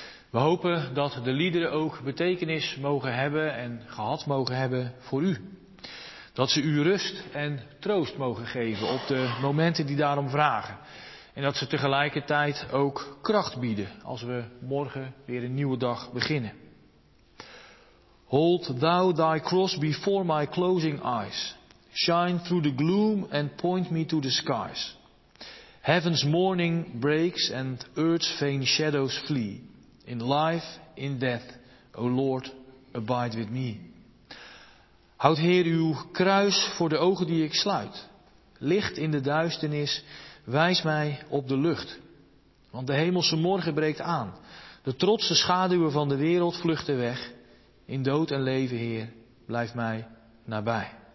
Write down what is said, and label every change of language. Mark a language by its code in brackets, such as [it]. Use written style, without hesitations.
[nl] We hopen dat de liederen ook betekenis mogen hebben en gehad mogen hebben voor u. Dat ze u rust en troost mogen geven op de momenten die daarom vragen. En dat ze tegelijkertijd ook kracht bieden als we morgen weer een nieuwe dag beginnen. [en] Hold thou thy cross before my closing eyes. Shine through the gloom and point me to the skies. Heaven's morning breaks and earth's faint shadows flee. In life, in death, O Lord, abide with me. [nl] Houd Heer uw kruis voor de ogen die ik sluit. Licht in de duisternis, wijs mij op de lucht. Want de hemelse morgen breekt aan. De trotse schaduwen van de wereld vluchten weg. In dood en leven, Heer, blijf mij nabij.